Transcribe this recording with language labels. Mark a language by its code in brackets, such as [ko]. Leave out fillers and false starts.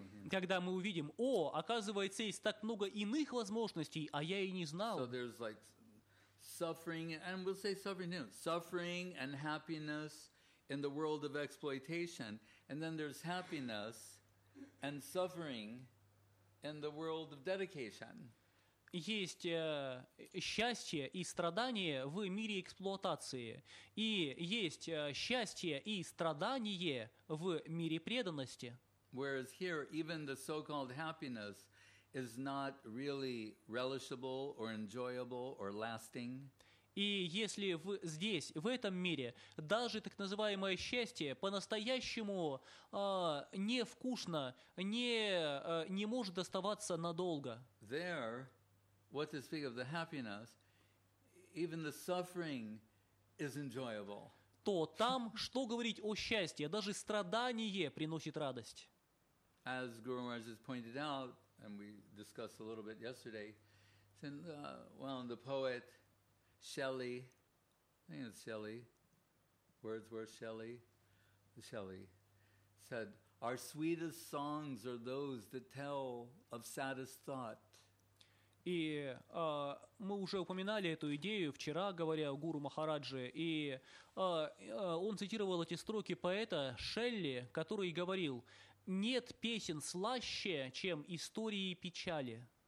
[ru] Когда мы увидим, о, оказывается, есть так много иных возможностей, а я и не знал. [en] So there's like suffering, and we'll say suffering, you know, suffering and happiness in the world of exploitation, and then there's happiness and suffering in the world of dedication. [ru] Есть счастье и страдание в мире эксплуатации. И есть счастье и страдание в мире преданности. [en] Whereas here, even the so-called happiness is not really relishable or enjoyable or lasting. [ru] И если здесь, в этом мире, даже так называемое счастье по-настоящему невкусно, не может оставаться надолго. [en] There, what to speak of the happiness, even the suffering is enjoyable. [ru] То там, что говорить о счастье, даже страдание приносит радость. [en] As Guru Maharaj has pointed out, and we discussed a little bit yesterday, the poet Shelley, I think it's Shelley, Wordsworth Shelley, said, our sweetest songs are those that tell of saddest thought. [ru] И мы уже упоминали эту идею вчера, говоря о Гуру Махараджи, и он цитировал эти строки поэта Шелли, который говорил, «Нет песен слаще, чем истории печали».